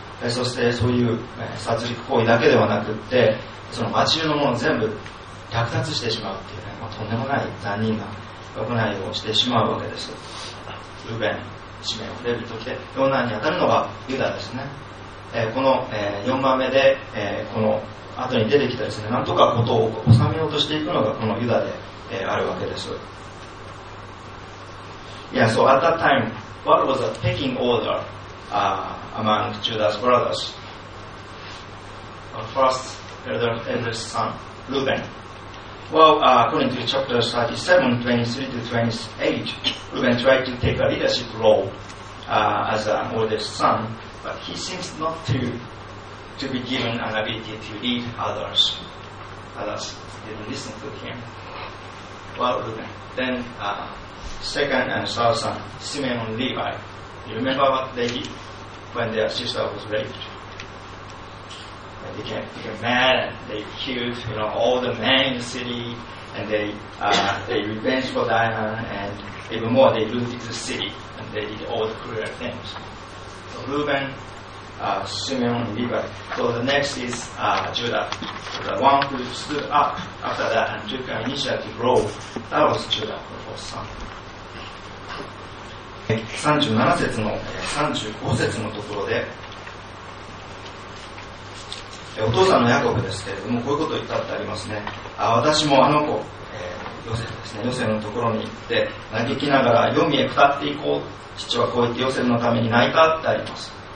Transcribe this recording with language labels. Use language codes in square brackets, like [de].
[ja] そしてそういう、殺戮行為だけではなくって、その町中のものを全部略奪してしまうっていうね、とんでもない残忍な行いをしてしまうわけです。ルベン、シメオン、レビと来て4男に当たるのがユダですね。この、4番目で、この後に出てきたですね、なんとかことを収めようとしていくのがこのユダで、あるわけです。 [en] Yeah, so at that time, what was the pecking order, among Judah's brothers? Our first eldest son, Reuben. Well, according to chapter 37, 23 to 28, Reuben tried to take a leadership role as an oldest son, but he seems not to be given an ability to lead others. Others didn't listen to him. Well, then second and third son, Simeon and Levi, you remember what they did when their sister was raped? They became mad and they killed, you know, all the men in the city, and they revenged for Diana, and even more, they looted the city and they did all the cruel things. So Reuben, Simeon, and Levi. So the next is Judah, the one who stood up after that and took an initiative role. That was Judah, the fourth son. [ja] 37節の35節のところで、お父さんのヤコブですけれども、こういうことを言ったってありますね。私もあの子、ヨセフですね、ヨセフのところに行って嘆きながら黄泉へ下っていこう、父はこう言ってヨセフのために泣いたってあります。